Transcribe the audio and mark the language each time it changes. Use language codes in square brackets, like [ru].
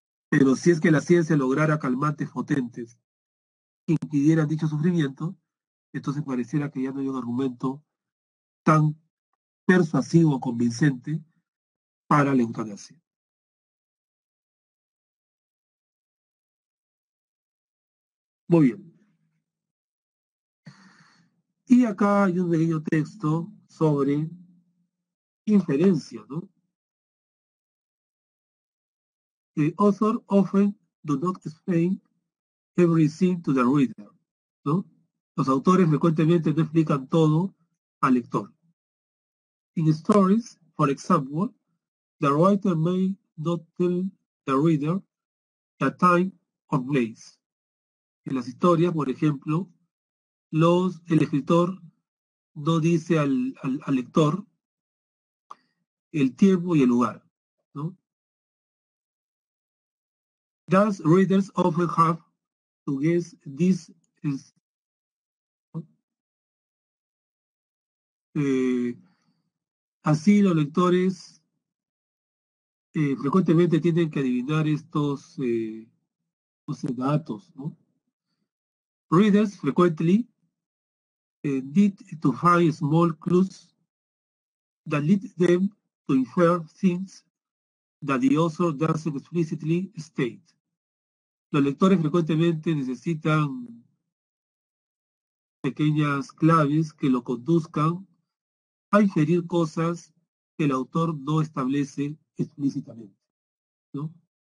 [es] Pero si es que la ciencia lograra calmantes potentes que impidieran dicho sufrimiento, entonces pareciera que ya no hay un argumento tan persuasivo o convincente para la eutanasia. Muy bien. Y acá hay un pequeño texto sobre inferencia, ¿no? [en] The author often do not explain everything to the reader, ¿no? [es] Los autores frecuentemente no explican todo al lector. [en] In stories, for example, the writer may not tell the reader the time or place. [es] En las historias, por ejemplo, el escritor no dice al lector el tiempo y el lugar, ¿no? [en] Thus, readers often have to guess this is, ¿no? [es] Así los lectores frecuentemente tienen que adivinar estos datos, ¿no? [en] Readers frequently need to find small clues that lead them to infer things that the author doesn't explicitly state. [es] Los lectores frecuentemente necesitan pequeñas claves que lo conduzcan a inferir cosas que el autor no establece explícitamente, ¿no?